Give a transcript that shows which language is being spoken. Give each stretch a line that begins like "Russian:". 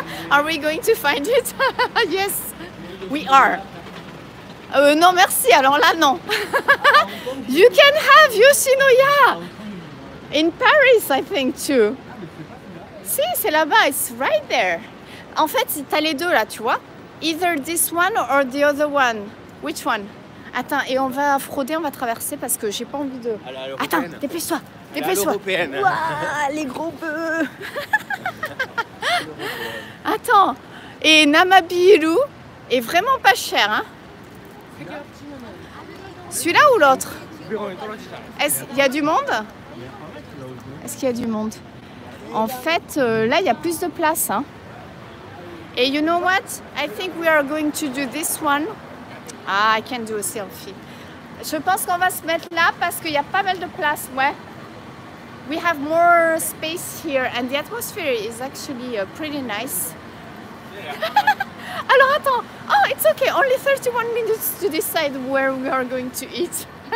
English: Are we going to find it? Yes, we are.
French: Non, merci, alors là, non.
English: You can have Yoshinoya in Paris, I think, too.
French: Si, c'est là-bas,
English: it's right there.
French: En fait, t'as les deux, là, tu vois.
English: Either this one or the other one. Which one?
French: Attends, et on va frauder, on va traverser, parce que j'ai pas envie de... Attends, dépêche-toi, dépêche-toi. Ouah, les gros bœufs. Attends, et Namabiru est vraiment pas cher, hein. Celui-là ou l'autre? Est-ce qu'il y a du monde? Est-ce qu'il y a du monde? En fait, là, il y a plus de place. Hein.
English: Et you know what? I think we are going to do this one. Ah, I can do a selfie.
French: Je pense qu'on va se mettre là parce qu'il y a pas mal de place. Ouais.
English: We have more space here and the atmosphere is actually pretty nice.
French: Alors attends.
English: Oh, it's okay. Only 31 minutes to decide where we are going to eat.